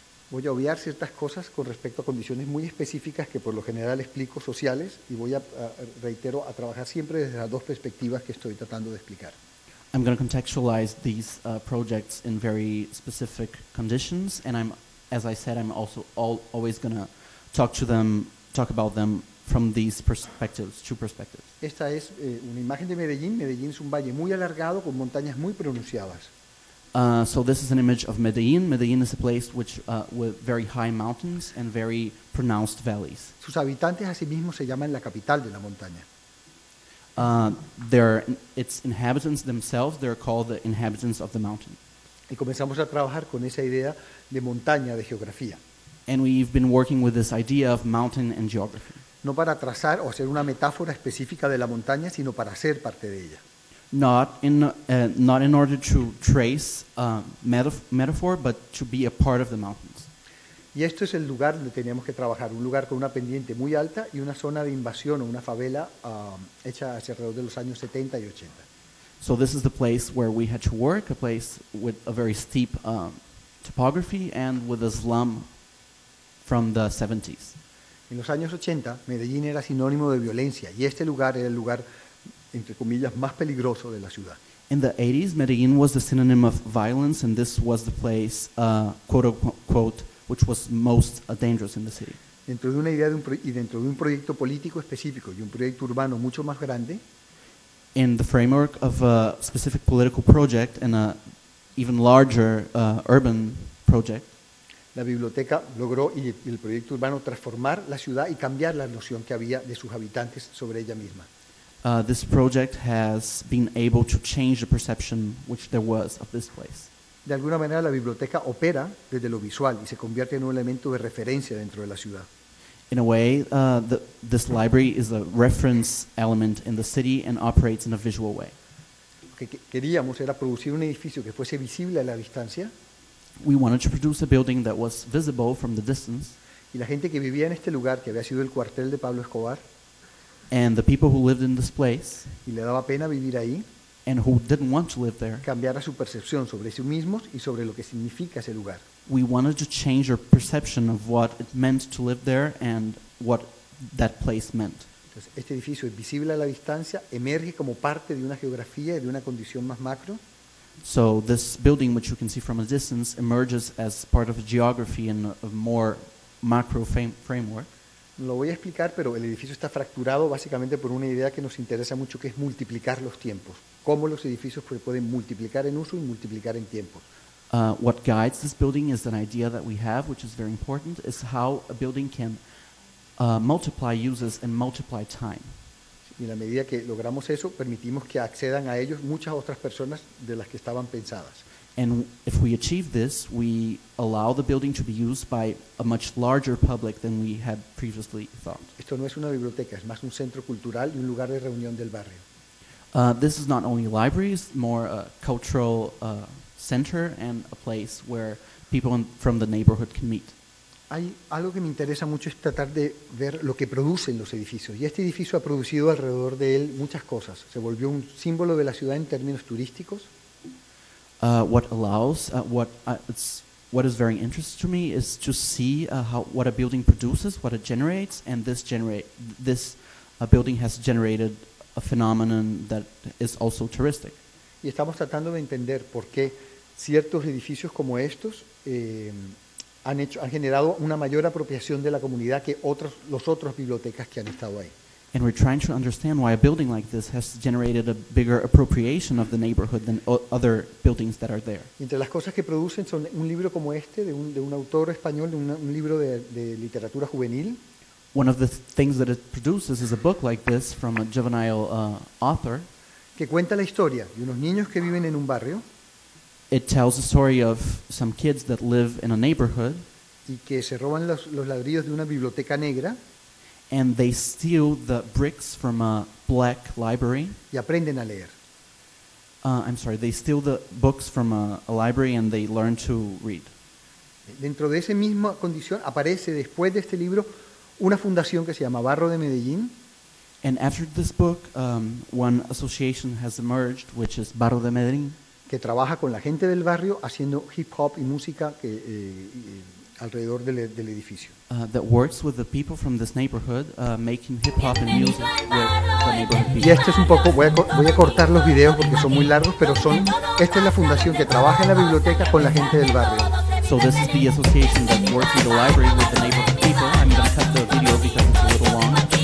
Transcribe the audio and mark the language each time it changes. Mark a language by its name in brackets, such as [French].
[Spanish] Voy a obviar ciertas cosas con respecto a condiciones muy específicas que por lo general explico sociales y voy a, reitero, a trabajar siempre desde las dos perspectivas que estoy tratando de explicar. [English] I'm going to contextualize these projects in very specific conditions and I'm, as I said, I'm also always going to talk about them from these perspectives, two perspectives. [Spanish] Esta es una imagen de Medellín. Medellín es un valle muy alargado con montañas muy pronunciadas. [English] So this is an image of Medellín. Medellín is a place with very high mountains and very pronounced valleys. [Spanish] Sus habitantes asimismo se llaman la capital de la montaña. [English] Its inhabitants themselves, they're called the inhabitants of the mountain. [Spanish] Y comenzamos a trabajar con esa idea de montaña, de geografía. [English] And we've been working with this idea of mountain and geography. [Spanish] No para trazar o hacer una metáfora específica de la montaña, sino para ser parte de ella. [English] Not in order to trace metaphor, but to be a part of the mountains. [Spanish] Y esto es el lugar donde teníamos que trabajar, un lugar con una pendiente muy alta y una zona de invasión o una favela hecha hacia alrededor de los años 70 y 80. [English] So this is the place where we had to work, a place with a very steep topography and with a slum from the 70s. [Spanish] En los años 80, Medellín era sinónimo de violencia y este lugar era el lugar entre comillas, más peligroso de la ciudad. [English] In the 80s, Medellín was the synonym of violence, and this was the place, quote-unquote, which was most dangerous in the city. [Spanish] Dentro de una idea de y dentro de un proyecto político específico y un proyecto urbano mucho más grande, [English] in the framework of a specific political project and an even larger urban project, [Spanish] La biblioteca logró y el proyecto urbano transformar la ciudad y cambiar la noción que había de sus habitantes sobre ella misma. [English] This project has been able to change the perception which there was of this place. [Spanish] De alguna manera la biblioteca opera desde lo visual y se convierte en un elemento de referencia dentro de la ciudad. [English] In a way, this library is a reference element in the city and operates in a visual way. [Spanish] Lo que queríamos era producir un edificio que fuese visible a la distancia. [English] We wanted to produce a building that was visible from the distance. [Spanish] Y la gente que vivía en este lugar, que había sido el cuartel de Pablo Escobar, [English] and the people who lived in this place, [Spanish] y le daba pena vivir ahí, [English] and who didn't want to live there, [Spanish] cambiara su percepción sobre sí mismos y sobre lo que significa ese lugar. [English] We wanted to change our perception of what it meant to live there and what that place meant. [Spanish] Entonces, este edificio es visible a la distancia, emerge como parte de una geografía y de una condición más macro. [English] So this building, which you can see from a distance, emerges as part of a geography and a more macro framework. [Spanish] Lo voy a explicar, pero el edificio está fracturado básicamente por una idea que nos interesa mucho, que es multiplicar los tiempos. Cómo los edificios pueden multiplicar en uso y multiplicar en tiempos. [English] What guides this building is an idea that we have, which is very important, is how a building can multiply uses and multiply time. [Spanish] Y en la medida que logramos eso, permitimos que accedan a ellos muchas otras personas de las que estaban pensadas. [English] And if we achieve this, we allow the building to be used by a much larger public than we had previously thought. [Spanish] Esto no es una biblioteca, es más un centro cultural y un lugar de reunión del barrio. [English] This is not only a library, it's more a cultural center and a place where people from the neighborhood can meet. [Spanish] Hay algo que me interesa mucho es tratar de ver lo que producen los edificios. Y este edificio ha producido alrededor de él muchas cosas. Se volvió un símbolo de la ciudad en términos turísticos. [English] What is very interesting to me is to see what a building produces, what it generates, and this building has generated a phenomenon that is also touristic. [Spanish] Y estamos tratando de entender por qué ciertos edificios como estos han generado una mayor apropiación de la comunidad que los otros bibliotecas que han estado ahí. [English] And we're trying to understand why a building like this has generated a bigger appropriation of the neighborhood than other buildings that are there. [Spanish] Entre las cosas que producen son un libro como este de un autor español, un libro de literatura juvenil. [English] One of the things that it produces is a book like this from a juvenile author. [Spanish] Que cuenta la historia de unos niños que viven en un barrio. [English] It tells the story of some kids that live in a neighborhood. [Spanish] Y que se roban los ladrillos de una biblioteca negra. [English] And they steal the bricks from a black library. [Spanish] Y aprenden a leer. [English] They steal the books from a library and they learn to read. [Spanish] Dentro de esa misma condición aparece después de este libro una fundación que se llama Barro de Medellín. [English] And after this book, one association has emerged, which is Barro de Medellín. [Spanish] Que trabaja con la gente del barrio haciendo hip hop y música alrededor del edificio. [English] That works with the people from this neighborhood making hip hop and music with the neighborhood people. [Spanish] Y esto es un poco, voy a cortar los videos porque son muy largos, pero esta es la fundación que trabaja en la biblioteca con la gente del barrio. [English] So this is the association that works in the library with the neighborhood people. I'm going to cut the video because it's a little long.